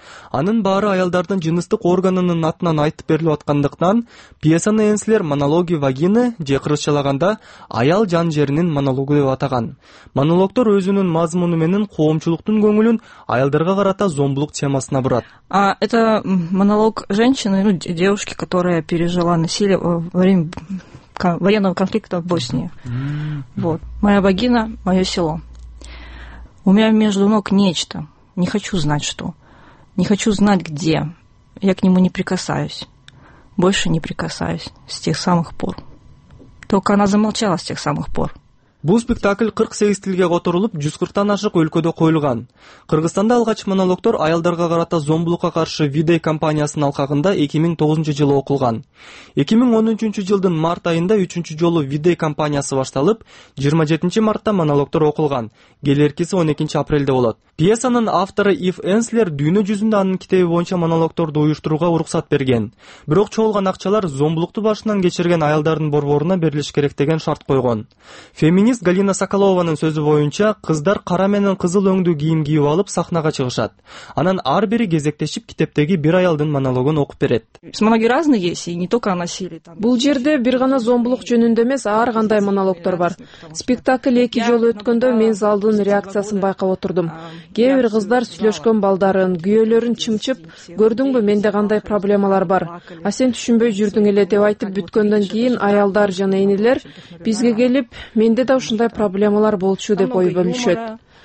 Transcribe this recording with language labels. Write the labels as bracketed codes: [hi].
[ky] Анын баары аялдардын жыныстык органынын атынан айтып берилип аткандыктан пьесаны Энслер монологи вагины же кыргызчалаганда аял жан жеринин монологу деп атаган. Монологдор өзүнүн мазмуну менен коомчулуктун көңүлүн аялдарга карата зомбулук темасына бурат. [ru] А это монолог женщины, ну, девушки, которая пережила насилие во время военного конфликта в Боснии. Вот. Моя вагина, мое село. У меня между ног нечто. Не хочу знать, что. Не хочу знать, где. Я к нему не прикасаюсь. Больше не прикасаюсь с тех самых пор. Только она замолчала с тех самых пор. [ky] Бул спектакль 48 тилге которулуп, 140-тан ашык өлкөдө коюлган. Кыргызстанда алгач монологдор аялдарга карата зомбулукка каршы Видей компаниясынын алкагында 2009 жылы окулган. 2013 жылдын март айында 3-чү жолу Видей компаниясы башталып, 27 мартта монологдор окулган. Келеркиси 12 апрелде болот. Пьесанын автору Ив Энслер дүйнө жүзүндө анын китеби боюнча монологдорду уюштурууга уруксат берген. Бирок чогулган акчалар зомбулукту башынан кечирген аялдардын борборуна берилиш керек деген шарт койгон. Феминист Артист Галина Соколованын сөзү боюнча, кыздар кара менен кызыл өңдүү кийим кийип алып сахнага чыгышат. Анан ар бири кезектешип китептеги бир аялдын монологун окуп берет. [ru] Многие разные есть, и не только о насилии. [ky] Бул жерде бир гана зомбулук жөнүндө эмес, ар кандай монологтор бар. Спектакль эки жолу өткөндө мен залдын реакциясын байкап отурдум. Кээ бир кыздар сүйлөшкөн балдарын, күйөөлөрүн чымчып, көрдүңбү менде кандай проблемалар бар? А сен түшүнбөй жүрдүң эле деп айтып бүткөндөн кийин аялдар жана энелер бизге келип, менде да ушундай проблемалар болчу деп ой бөлүшөт.